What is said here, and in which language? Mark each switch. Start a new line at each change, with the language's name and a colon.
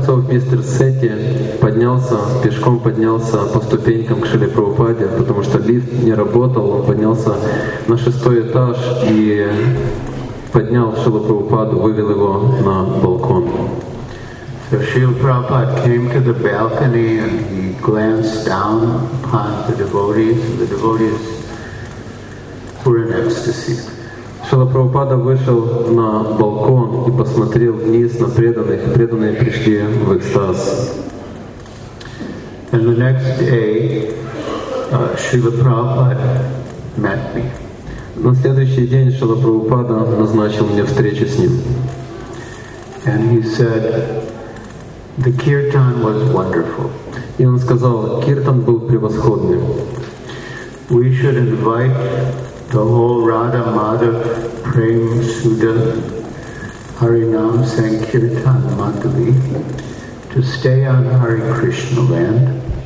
Russian: Мистер Сети поднялся, пешком поднялся по ступенькам к Шриле Прабхупаде, потому что лифт не работал. Он поднялся на 6-й этаж и поднял Шрилу Прабхупаду, вывел его на балкон.
English: So Shrila Prabhupada came to the balcony and he glanced down upon the devotees, and the devotees were in ecstasy.
Russian: Шрила Прабхупада вышел на балкон и посмотрел вниз на преданных, и преданные пришли в экстаз.
English: And the next day, Shrila Prabhupada met me.
Russian: На следующий день Шрила Прабхупада назначил мне встречу с ним.
English: And he said, the kirtan was wonderful.
Russian: И он сказал, киртан был превосходным.
English: We should invite the whole Radha Madhava Prem Sudha Harinam Sankirtan Mandali to stay on Hare Krishna land.